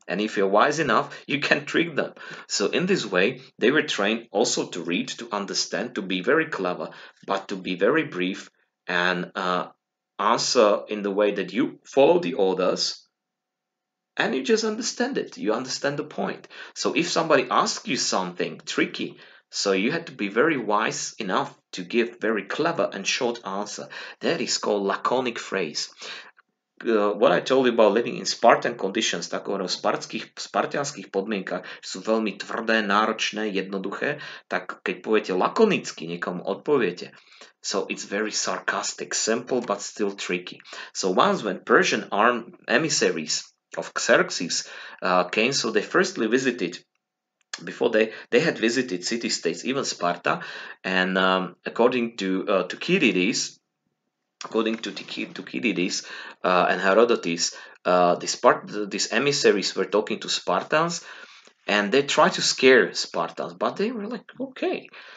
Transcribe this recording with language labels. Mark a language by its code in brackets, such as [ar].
[en] And if you're wise enough, you can trick them. So in this way, they were trained also to read, to understand, to be very clever, but to be very brief and answer in the way that you follow the orders and you just understand it. You understand the point. So if somebody asks you something tricky, so you had to be very wise enough to give very clever and short answer. That is called laconic phrase. What I told you about living in Spartan conditions, [sk] takového spartianských podmienkach, sú veľmi tvrdé, náročné, jednoduché, tak keď poviete lakonicky, niekomu odpoviete. [en] So it's very sarcastic, simple, but still tricky. So once when Persian armed emissaries of Xerxes came, so they firstly visited, before they had visited city-states, even Sparta, and according to Thucydides, according to Thucydides and Herodotus, these emissaries were talking to Spartans, and they tried to scare Spartans, but they were like, okay.